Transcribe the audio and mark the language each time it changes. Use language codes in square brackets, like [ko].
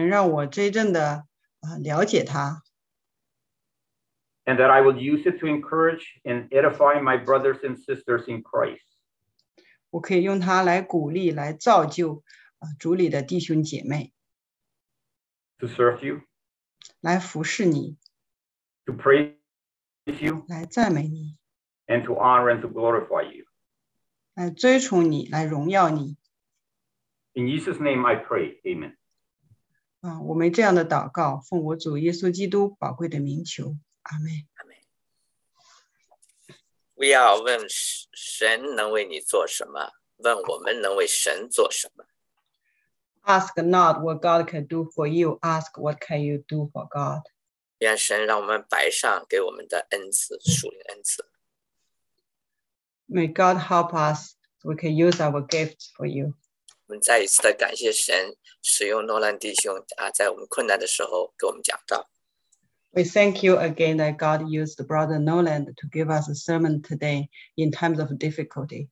[zh] 我祈求你能让我真正的了解它。 [en] And that I will use it to encourage and edify my brothers and sisters in Christ. [zh] 我可以用它来鼓励来造就主里的弟兄姐妹。 [en] To serve you. [zh] 来服侍你。 [en] To praise you. [zh] 来赞美你。 [en] And to honor and to glorify you. [zh] 来追崇你, 来荣耀你。 [en] In Jesus' name I pray, amen. [zh] 我们这样的祷告, 奉我主耶稣基督宝贵的名求, 阿们。不要问神能为你做什么, 问我们能为神做什么。 [en] Ask not what God can do for you, ask what can you do for God. [zh] 愿神让我们摆上给我们的恩赐, 属灵恩赐。 [en] May God help us, we can use our gifts for you. [zh] 我们再一次的感谢神使用诺兰弟兄在我们困难的时候给我们讲道。 [en] We thank you again that God used Brother Noland to give us a sermon today in times of difficulty.